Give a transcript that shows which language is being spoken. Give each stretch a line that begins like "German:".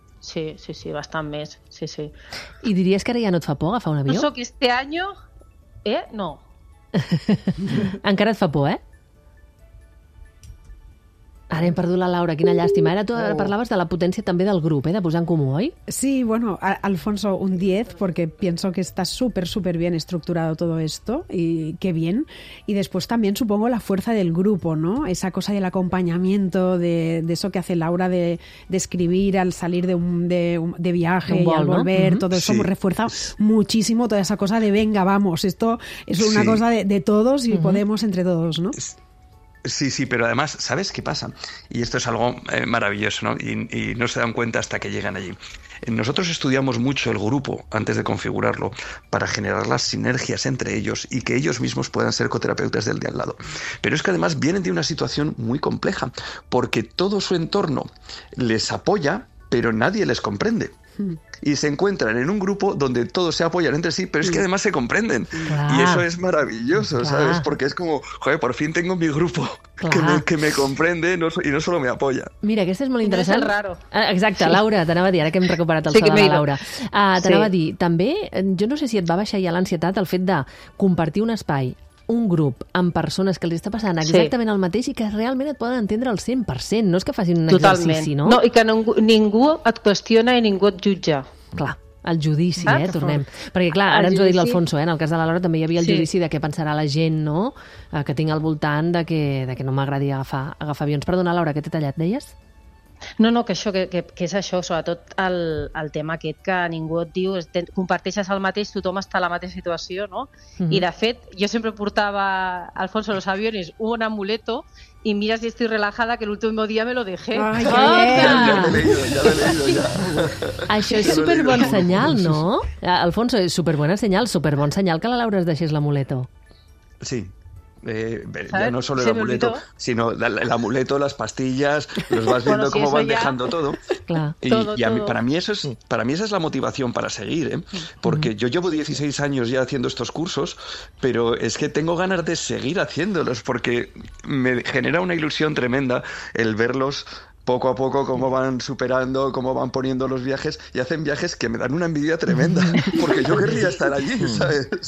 Catalan: Sí, bastant més, sí. I diries que ara ja no et fa por agafar un avió? No sóc este any, no. Encara et fa por, eh? Ara hem perdut la Laura, quina llàstima. Ara tu parlaves de la potència també del grup, de posar en comú, oi?
Spanish: Sí, bueno, Alfonso, un 10, porque pienso que está súper, súper bien estructurado todo esto, y qué bien. Y después también supongo la fuerza del grupo, ¿no? Esa cosa del acompañamiento, de eso que hace Laura de escribir al salir de viaje y al volver, ¿no? Todo eso refuerza muchísimo toda esa cosa de venga, vamos, esto es una cosa de todos y podemos entre todos, ¿no? Sí, pero además, ¿sabes qué pasa? Y esto es algo maravilloso, ¿no? Y no se dan cuenta hasta que llegan allí. Nosotros estudiamos mucho el grupo antes de configurarlo para generar las sinergias entre ellos y que ellos mismos puedan ser coterapeutas del de al lado. Pero es que además vienen de una situación muy compleja, porque todo su entorno les apoya, pero nadie les comprende. Y se encuentran en un grupo donde todos se apoyan entre sí, pero es que además se comprenden. Claro. Y eso es maravilloso, ¿sabes? Porque es como, joder, por fin tengo mi grupo que me comprende y no solo me apoya. Mira, que esto es muy interesante. Es raro.
Catalan: Exacte, sí. Laura, t'anava a dir, ara que hem recuperat el sol de la Laura. T'anava a dir, també, jo no sé si et va baixar ja l'ansietat el fet de compartir un espai, un grup, amb persones que els està passant exactament el mateix i que realment et poden entendre al 100%, no és que facin un exercici, no? No, i que ningú et qüestiona i ningú et jutja. Clar, el judici, tornem. Perquè, clar, ara ens ho ha dit l'Alfonso, en el cas de la Laura també hi havia el judici de què pensarà la gent, no?, que tinc al voltant de que no m'agradi agafar avions. Perdona, Laura, que t'he tallat, deies? No, que és això, sobretot el tema aquest que ningú et diu, comparteixes el mateix, tothom està a la mateixa situació, no? Mm-hmm. I de fet, jo sempre portava,
Spanish: Alfonso, los aviones, un amuleto, y mira si estoy relajada, que el último día me lo dejé. ¡Ay, qué bien! Ya lo he leído,
Catalan: Això és superbon senyal, no? Alfonso, és superbon senyal que la Laura es deixés l'amuleto.
Spanish: Sí. Ya no solo el amuleto, sino el amuleto, las pastillas, los vas viendo cómo van dejando todo. Claro. Para mí esa es la motivación para seguir, porque yo llevo 16 años ya haciendo estos cursos, pero es que tengo ganas de seguir haciéndolos porque me genera una ilusión tremenda el verlos poco a poco, cómo van superando, cómo van poniendo los viajes, y hacen viajes que me dan una envidia tremenda, porque yo querría estar allí, ¿sabes?